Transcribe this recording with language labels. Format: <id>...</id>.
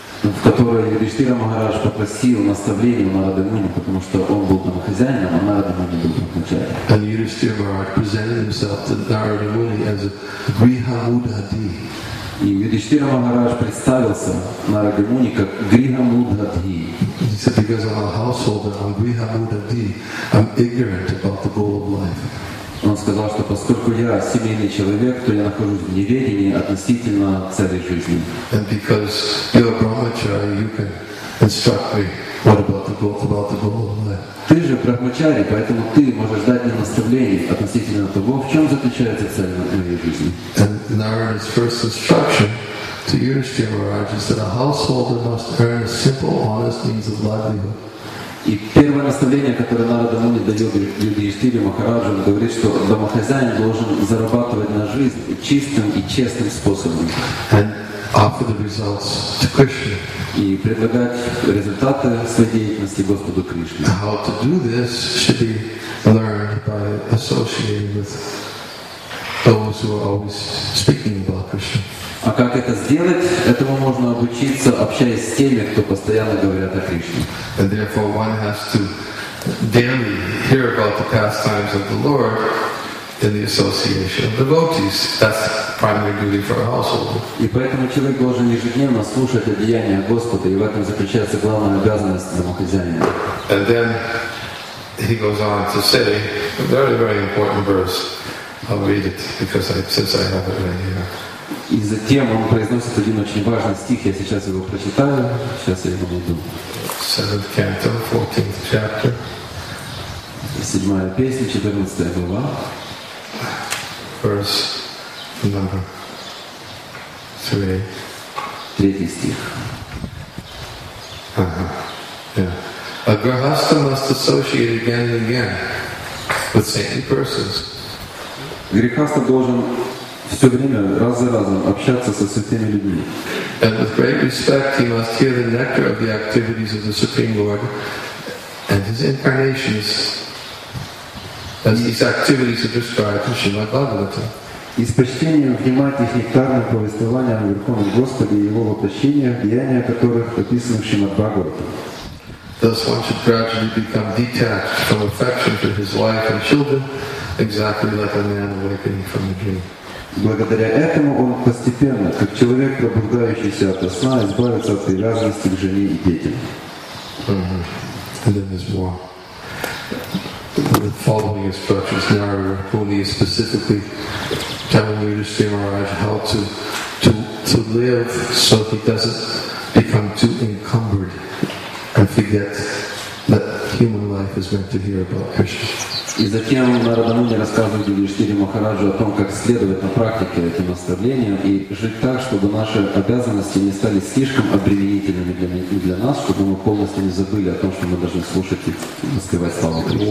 <ru>В которой Юдхиштхира Махарадж попросил наставления у Нарады Муни, потому что он был домохозяином, а Нарада Муни был брахмачари.</ru> <en>And Yudhishthira Maharaj presented himself to Narada Muni as a grihamudhadi.</en> <ru>И Юдхиштхира Махарадж представился Нараде Муни как грихамудхадхи.</ru> <en>He said, because I'm a householder, I'm грихамудхадхи, I'm ignorant about the goal of life.</en> <ru>Он сказал, что поскольку я семейный человек, то я нахожусь в неведении относительно цели жизни.</ru> <en>And because you're a brahmachari, you can instruct me what about the goal of life.</en> <ru>Ты же брахмачари, поэтому ты можешь дать мне наставление относительно того, в чем заключается цель моей жизни.</ru> <en>And Narada's first instruction to Yudhishthira Maharaj is that a householder must earn a simple, honest means of livelihood.</en> <ru>И первое наставление, которое Нарада Муни дает Юдхиштхире Махараджу, говорит, что домохозяин должен зарабатывать на жизнь чистым и честным способом.</ru> <en>And offer the results to Krishna.</en> <ru>И предлагать результаты своей деятельности Господу Кришне.</ru> <en>How to do this should be learned by associating with those who are always speaking about Krishna.</en> <ru>А как это сделать? Этому можно обучиться, общаясь с теми, кто постоянно говорят о Кришне.</ru> <en>And therefore one has to daily hear about the pastimes of the Lord in the association of devotees. That's primary duty for a householder.</en> <ru>И поэтому человек должен ежедневно слушать о деяниях Господа, и в этом заключается главная обязанность домохозяина.</ru> <en>And then he goes on to say a very, very important verse. I'll read it because since I have it right here.</en> <ru>И затем он произносит один очень важный стих, я сейчас его прочитаю, сейчас я его найду.</ru> <en>7th canto, 14th chapter.</en> <ru>7 песня, 14 глава.</ru> <en>Verse number 3.</en> <ru>3 стих.</ru> <en>A grahastha must associate again and again with saintly persons.</en> <ru>Грихастха должен все время, раз за разом, общаться со святыми людьми.</ru> <en>And with great respect he must hear the nectar of the activities of the Supreme Lord and his incarnations as these activities are described in Shrimad Bhagavatam.</en> <ru>И с почтением внимать их нектарное повествование о Верховном Господе и Его воплощениях, деяния которых описаны в Шримад Бхагаватам.</ru> <en>Thus one should gradually become detached from affection for his wife and children, exactly like a man awakening from a dream.</en> <ru>Благодаря этому он постепенно, как человек, пробуждающийся от сна, избавится от привязанности к жене и детям.</ru> <en>Mm-hmm. And then there's more. following instructions, Narayana Puni is specifically telling Yudhishthira Maharaj how to live so he doesn't become too encumbered and forget that human life is meant to hear about Krishna.</en> <ru>И затем Нарада Муни рассказывает Юдхиштхире Махараджу о том, как следовать на практике этим наставлениям и жить так, чтобы наши обязанности не стали слишком обременительными для нас, чтобы мы полностью не забыли о том, что мы должны слушать и воспевать слова</ru>